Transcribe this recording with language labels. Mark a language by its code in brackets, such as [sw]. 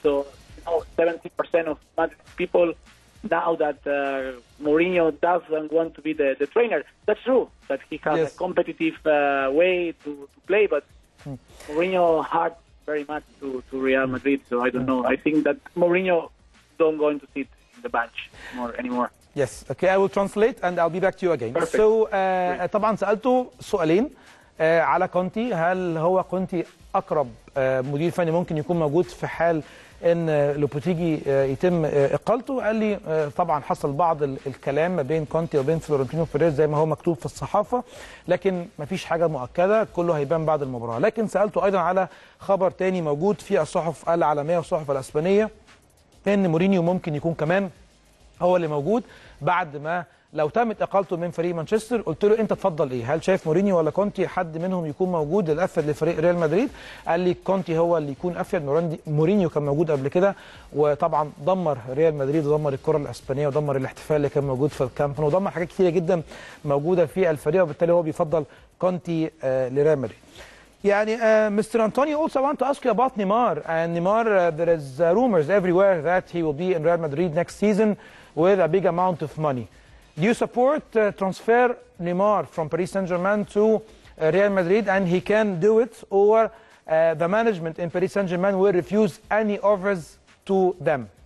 [en] So, you know, 70% of Madrid people now that Mourinho doesn't want to be the trainer. That's true. That he has a competitive way to play. But Mourinho hurt very much to Real Madrid. So I don't know. I think that Mourinho don't going to sit in the bench anymore. Yes, okay, I will translate and I'll be back to you again. Perfect. [ar] So, طبعا سألته سؤالين على كونتي. هل هو كونتي أقرب مدير فني ممكن يكون موجود في حال إن لوبوتيجي يتم إقالته؟ قال لي طبعا حصل بعض الكلام ما بين كونتي وبين فلورنتينو بيريز زي ما هو مكتوب في الصحافة، لكن ما فيش حاجة مؤكدة، كله هيبان بعد المباراة. لكن سألته أيضا على خبر تاني موجود في الصحف العالمية والصحف الأسبانية إن مورينيو ممكن يكون كمان هو اللي موجود بعد ما لو تمت اقالته من فريق مانشستر. قلت له انت تفضل ايه، هل شايف مورينيو ولا كونتي حد منهم يكون موجود الافيد لفريق ريال مدريد؟ قال لي كونتي هو اللي يكون افيد، مورينيو كان موجود قبل كده وطبعا دمر ريال مدريد ودمر الكره الاسبانيه ودمر الاحتفال اللي كان موجود في الكامب نو، ودمر حاجات كتيره جدا موجوده في الفريق، وبالتالي هو بيفضل كونتي لريال مدريد. [en] يعني mister Antonio also want to ask you about Neymar. Neymar there is rumors everywhere that he will be in Real Madrid next season with a big amount of money. Do you support transfer Neymar from Paris Saint-Germain to Real Madrid and he can do it or the management in Paris Saint-Germain will refuse any offers to them?